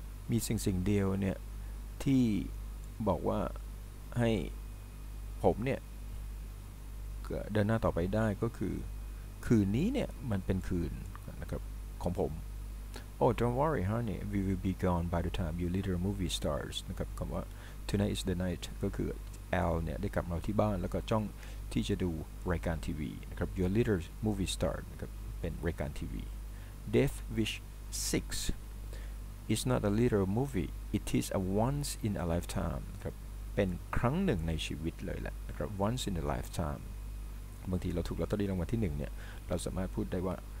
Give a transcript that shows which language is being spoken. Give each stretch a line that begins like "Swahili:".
Thai: มีสิ่งเดียวเนี่ยที่บอกว่าให้ผมเนี่ยเดินหน้าต่อไปได้ก็คือคืนนี้เนี่ยมันเป็นคืนนะครับของผม
English: Oh, don't worry, honey. We will be gone by the time you little movie stars.
Thai: นะครับคำว่า
English: Tonight is the night
Thai: ก็คือ L เนี่ยได้กลับมาที่บ้านแล้วก็จ้องที่จะดูรายการทีวีนะครับ
English: Your little movie star
Thai: นะครับเป็นรายการทีวี
English: Death Wish 6 is not a little movie it is a once in a lifetime
Thai: ครับเป็นครั้งหนึ่งในชีวิตเลยแหละนะครับ
English: once in a lifetime
Thai: บางทีเราถูกลอตเตอรี่รางวัลที่1เนี่ยเราสามารถพูดได้ว่า